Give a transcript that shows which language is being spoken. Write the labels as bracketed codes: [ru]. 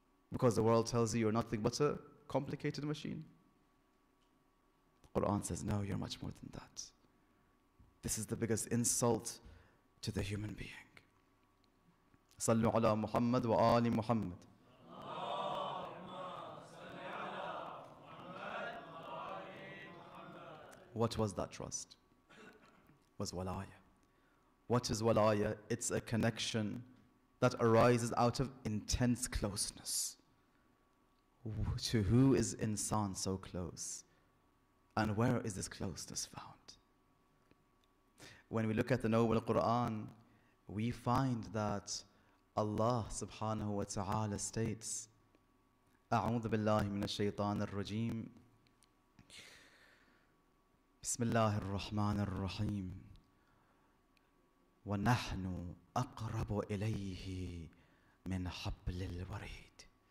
[en] Because the world tells you you're nothing but a complicated machine. The Quran says, no, you're much more than that. This is the biggest insult to the human being. [ar] صلوا على محمد وآل محمد. اللهم صل على محمد وآل محمد. [en] What was that trust? Was walaya. What is walaya? It's a connection that arises out of intense closeness. To who is insan so close? And where is this closeness found? When we look at the Noble Quran, we find that Allah subhanahu wa ta'ala states, [ar] أعوذ بالله من الشيطان الرجيم بسم الله الرحمن الرحيم ونحن أقرب إليه من حبل الوريد.